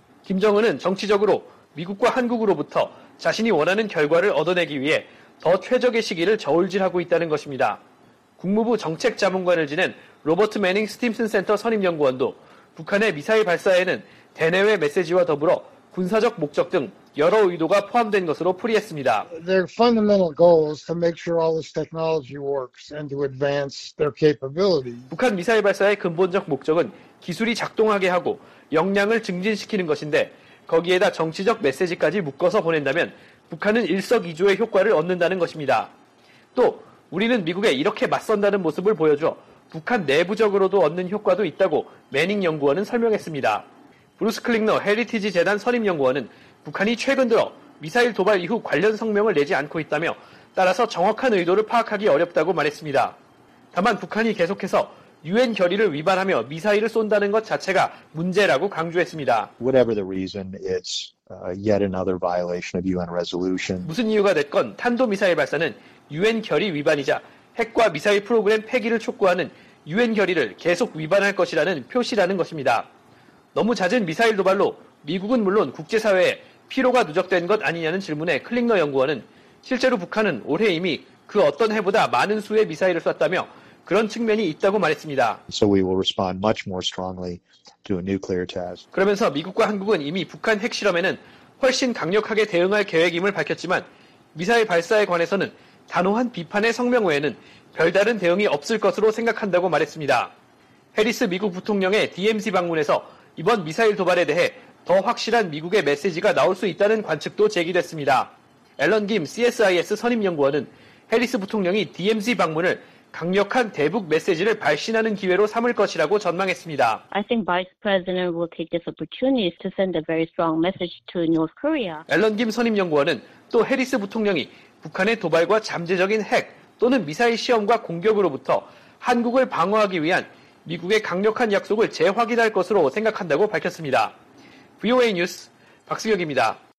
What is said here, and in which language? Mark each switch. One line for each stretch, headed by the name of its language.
Korean: 김정은은 정치적으로 미국과 한국으로부터 자신이 원하는 결과를 얻어내기 위해 더 최적의 시기를 저울질하고 있다는 것입니다. 국무부 정책자문관을 지낸 로버트 매닝 스팀슨 센터 선임연구원도 북한의 미사일 발사에는 대내외 메시지와 더불어 군사적 목적 등 여러 의도가 포함된 것으로 풀이했습니다.
English: Their fundamental goal is to make sure all this technology works and to advance their capability.
Korean: 북한 미사일 발사의 근본적 목적은 기술이 작동하게 하고 역량을 증진시키는 것인데 거기에다 정치적 메시지까지 묶어서 보낸다면 북한은 일석이조의 효과를 얻는다는 것입니다. 또 우리는 미국에 이렇게 맞선다는 모습을 보여줘 북한 내부적으로도 얻는 효과도 있다고 매닝 연구원은 설명했습니다. 브루스 클링너 헤리티지 재단 선임 연구원은 북한이 최근 들어 미사일 도발 이후 관련 성명을 내지 않고 있다며 따라서 정확한 의도를 파악하기 어렵다고 말했습니다. 다만 북한이 계속해서 유엔 결의를 위반하며 미사일을 쏜다는 것 자체가 문제라고 강조했습니다.
English: Whatever the reason, it's yet another violation of UN resolution.
Korean: 무슨 이유가 됐건 탄도미사일 발사는 유엔 결의 위반이자 핵과 미사일 프로그램 폐기를 촉구하는 유엔 결의를 계속 위반할 것이라는 표시라는 것입니다. 너무 잦은 미사일 도발로 미국은 물론 국제사회에 피로가 누적된 것 아니냐는 질문에 클링너 연구원은 실제로 북한은 올해 이미 그 어떤 해보다 많은 수의 미사일을 쐈다며 그런 측면이 있다고 말했습니다.
English: So we will respond much more strongly to a nuclear test.
Korean: 그러면서 미국과 한국은 이미 북한 핵실험에는 훨씬 강력하게 대응할 계획임을 밝혔지만 미사일 발사에 관해서는 단호한 비판의 성명 외에는 별다른 대응이 없을 것으로 생각한다고 말했습니다. 해리스 미국 부통령의 DMZ 방문에서 이번 미사일 도발에 대해 더 확실한 미국의 메시지가 나올 수 있다는 관측도 제기됐습니다. 앨런 김 CSIS 선임연구원은 해리스 부통령이 DMZ 방문을 강력한 대북 메시지를 발신하는 기회로 삼을 것이라고 전망했습니다.
English: I think Vice President will take this opportunity to send a very strong message to North Korea.
Korean: 앨런 김 선임연구원은 또 해리스 부통령이 북한의 도발과 잠재적인 핵 또는 미사일 시험과 공격으로부터 한국을 방어하기 위한 미국의 강력한 약속을 재확인할 것으로 생각한다고 밝혔습니다. VOA 뉴스 박수혁입니다.